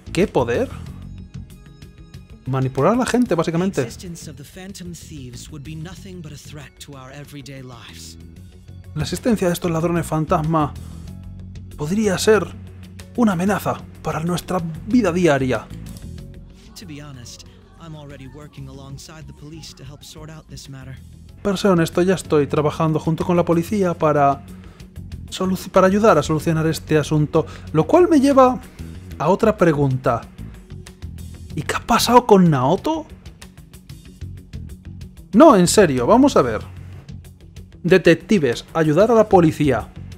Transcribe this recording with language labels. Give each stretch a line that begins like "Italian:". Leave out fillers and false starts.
Spanish: ¿Qué poder? Manipular a la gente, básicamente. La existencia de los
English: Phantom Thieves would be nothing but a threat to our everyday lives.
Spanish: La existencia de estos ladrones fantasma podría ser una amenaza para nuestra vida diaria.
English: To be honest, I'm already working alongside the police to help sort out this matter.
Spanish: Para ser honesto, ya estoy trabajando junto con la policía para ayudar a solucionar este asunto. Lo cual me lleva a otra pregunta. ¿Y qué ha pasado con Naoto? No, en serio, vamos a ver. Detectives, ayudar a la policía.